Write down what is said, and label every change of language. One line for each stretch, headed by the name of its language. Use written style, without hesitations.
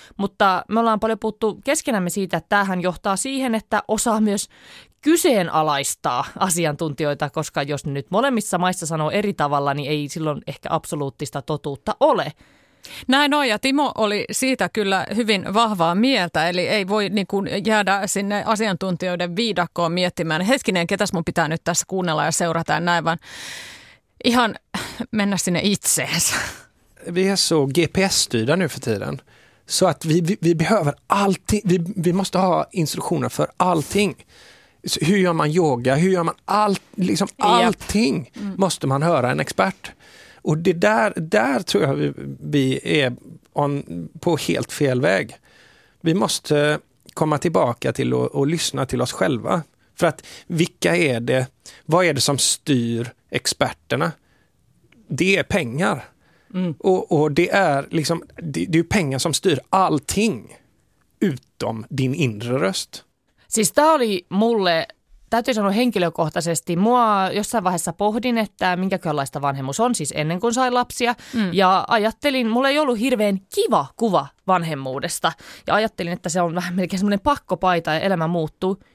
Finnish: Mutta me ollaan paljon puhuttu keskenämme siitä, että tämähän johtaa siihen, että osaa myös kyseenalaistaa asiantuntijoita, koska jos nyt molemmissa maissa sanoo eri tavalla, niin ei silloin ehkä absoluuttista totuutta ole. Näin on, ja Timo oli siitä kyllä hyvin vahvaa mieltä, eli ei voi niin kuin jäädä sinne asiantuntijoiden viidakkoon miettimään, hetkinen, ketäs mun pitää nyt tässä kuunnella ja seurata ja näin, vaan ihan mennä sinne itseensä.
Swedish: Vi är så GPS-styrda nu för tiden, så att vi behöver allting, vi måste ha instruktioner för allting. Hur gör man yoga, hur gör man allt, liksom allting måste man höra en expert. Och det där tror jag vi är på helt fel väg. Vi måste komma tillbaka till och lyssna till oss själva. För att vilka är det, vad är det som styr experterna? Det är pengar. Mm. Och det är liksom, det är pengar som styr allting utom din inre röst.
Finnish: Siis tämä oli mulle, täytyy sanoa henkilökohtaisesti, mua jossain vaiheessa pohdin, että minkälaista vanhemmuus on, siis ennen kuin sain lapsia. Mm. Ja ajattelin, mulla ei ollut hirveän kiva kuva vanhemmuudesta. Ja ajattelin, että se on vähän melkein semmoinen pakkopaita ja elämä muuttuu.